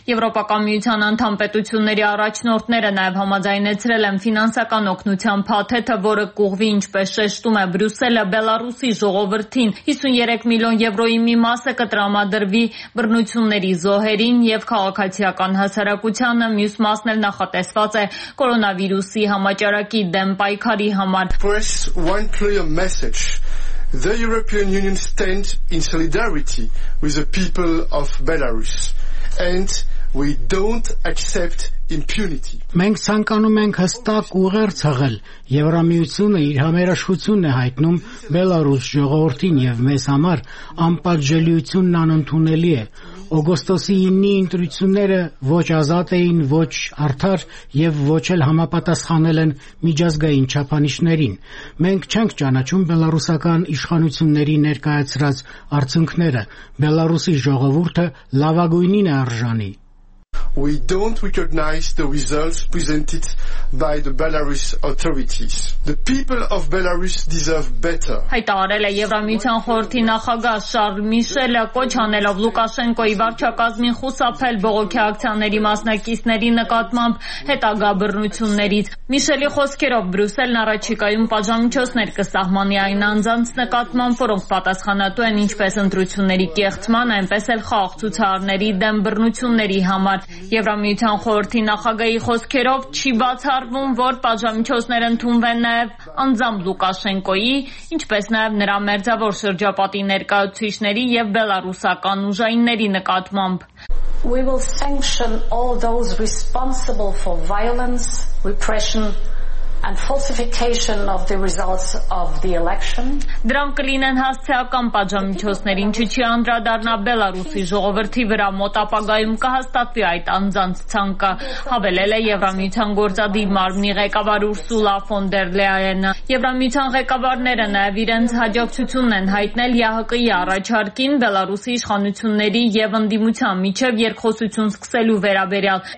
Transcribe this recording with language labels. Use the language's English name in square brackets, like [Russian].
[Armenian] Եվրոպական միության անդամ պետությունների առաջնորդները նաեւ համաձայնեցրել են ֆինանսական օգնության փաթեթը, որը կուղվի, ինչպես շեշտում է Բրյուսելը, Բելարուսի ժողովրդին 53 միլիոն եվրոյի մի մասը կտրամադրվի բռնությունների զոհերին եւ քաղաքացիական հասարակությանը, մյուս մասն էլ նախատեսված է կորոնավիրուսի համաճարակի դեմ պայքարի համար։ [English] The European Union stands in solidarity with the people of Belarus and we don't accept impunity. [Armenian] Մենք ցանկանում ենք հստակ ուղեր ցղել։ Եվրամիությունը իր համերաշխությունն է հայտնում Բելարուս ժողովրդին եւ մեզ համար անպատժելիությունն անընդունելի է։ Օգոստոսի 9-ի ընտրությունները ոչ ազատ էին, ոչ արդար եւ ոչ էլ համապատասխանել են միջազգային չափանիշներին։ Մենք չենք ճանաչում Բելարուսական իշխանությունների ներկայացրած արդյունքները։ Բելարուսի ժողովուրդը լավագույնին է արժանի։ [English] We don't recognize the results presented by the Belarus authorities. The people of Belarus deserve better. [Armenian] Հայտարարել է Եվրամիության խորհրդի նախագահ Շարլ Միշելը, կոչ անելով Լուկաշենկոյի վարչակազմին խուսափել բողոքի ակցիաների մասնակիցների նկատմամբ հետագա բռնություններից։ Միշելի խոսքերով Բրյուսելն առաջիկայում պատժամիջոցներ կսահմանի այն անձանց նկատմամբ, որոնք պատասխանատու են ինչպես ընտրությունների կեղծման, այնպես էլ խաղաղ ցուցարարների դեմ բռնությունների համար։ Եվրամիության խորհրդի նախագահի խոսքերով չի բացառվում, որ պատժամիջոցներ ընդունվեն նաև անձամբ Լուկաշենկոյի, ինչպես նաև նրա մերձավոր շրջապատի ներկայացուցիչների եւ բելարուսական ուժայինների նկատմամբ։ [English] We will sanction all those responsible for violence, repression, and falsification of the results of the election. [Armenian] Դրանք կլինեն հասցեական պատժամիջոցներ, ինչը չի անդրադառնա Բելարուսի ժողովրդի վրա, մոտ ապագայում կհաստատվի այդ անձանց ցանկը, հավելել է Եվրամիության գործադիր մարմնի ղեկավար Ուրսուլա ֆոն դեր Լեյենը։ Եվրամիության ղեկավարները նաև իրենց հաջողությունն են հայտնել ՀԿ-ի առաջարկին Բելարուսի իշխանությունների եւ ընդդիմության միջև երկխոսություն սկսելու վերաբերյալ,